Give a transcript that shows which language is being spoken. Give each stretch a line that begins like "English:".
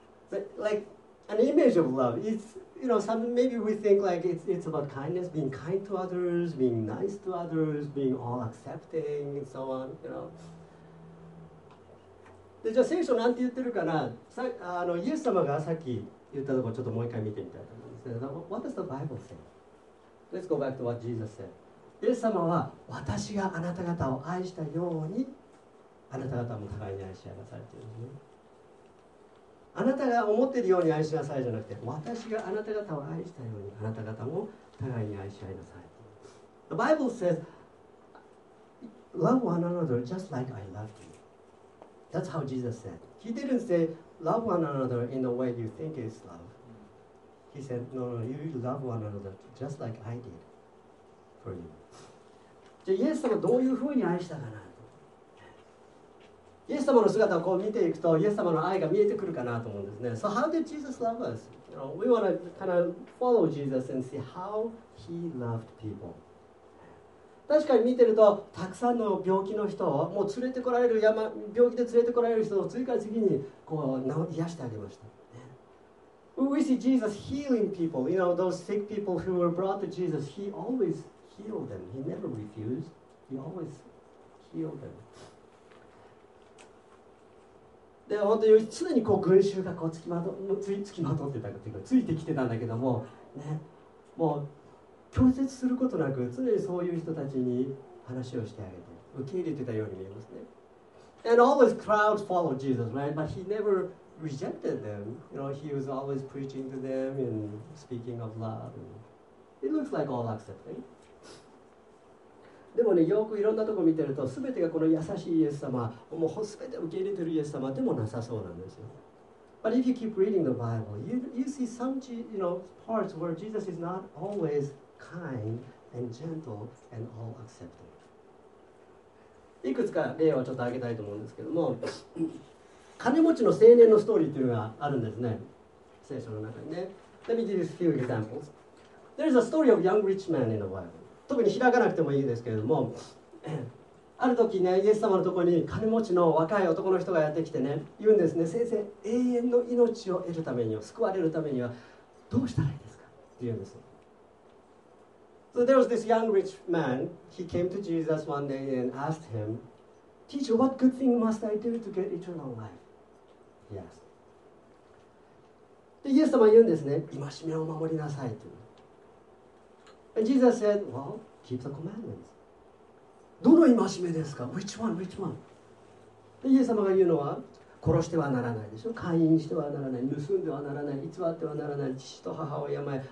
English: But, like an image of love, it's, you know, some, maybe we think like it's about kindness, being kind to others, being nice to others, being all accepting and so on, you know.
Japanese: で、じゃあ聖書なんて言ってるかな。さあのイエス様がさっき言ったところちょっともう一回見てみたいと思うんですけど、
English: What does the Bible say? Let's go back to what Jesus said.
Japanese: イエス様は、私があなた方を愛したようにあなた方も互いに愛し合いなさいというんですね。あなたが思っているように愛しなさいじゃなくて、私があなた方を愛したようにあなた方も互いに愛し合いなさい。
English: The Bible says love one another just like I loved you. That's how Jesus said. He didn't sayLove one another in the way you think is love. He said, no, no, you love one another just like I did for you.
Japanese: じゃあイエス様どういうふうに愛したかな。イエス様の姿をこう見ていくと、イエス様の愛が見えてくるかなと思うんですね。
English: So how did Jesus love us? You know, we want to kind of follow Jesus and see how he loved people.
Japanese: 確かに見てると、たくさんの病気の人を、もう連れてこられる山、病気で連れてこられる人を次から次にこう癒してあげました。
English: We see Jesus healing people. You know, those sick people who were brought to Jesus, he always healed them. He never refused. He always healed them.
Japanese: で、本当に常にこう群衆がこうついてきてたんだけども、ね、もう、拒絶することなく常にそういう人たちに話をしてあげて受け入れてたように見えますね。
English: And always crowds followed Jesus, right? But he never rejected them. You know, he was always preaching to them and speaking of love. It looks like all accepting.
Japanese: でもね、よくいろんなとこ見てると、すべてがこの優しいイエス様、もうすべて受け入れてるイエス様でもなさそうなんですよ。
English: But if you keep reading the Bible, you see some you know, parts where Jesus is not always kind and gentle and all accepting.
Japanese: いくつか例をちょっと挙げたいと思うんですけども、金持ちの青年のストーリーっていうのがあるんですね、聖書の中にね。
English: Let me give you a few examples. There's a story of young rich man in the Bible.
Japanese: 特に開かなくてもいいですけれども、ある時ね、イエス様のところに金持ちの若い男の人がやってきてね、言うんですね、先生、永遠の命を得るためには、救われるためには、どうしたらいいですかって言うんです。
English: So there was this young rich man, he came to Jesus one day and asked him, Teacher, what good thing must I do to get eternal life? He asked.
Japanese: で、イエス様は言うんですね、戒めを守りなさいと。
English: And Jesus said, well, keep the commandments.
Japanese: どの戒めですか?
English: Which one?
Japanese: で、イエス様が言うのは、殺してはならないでしょ。姦淫してはならない。盗んではならない。偽ってはならない。父と母を敬え。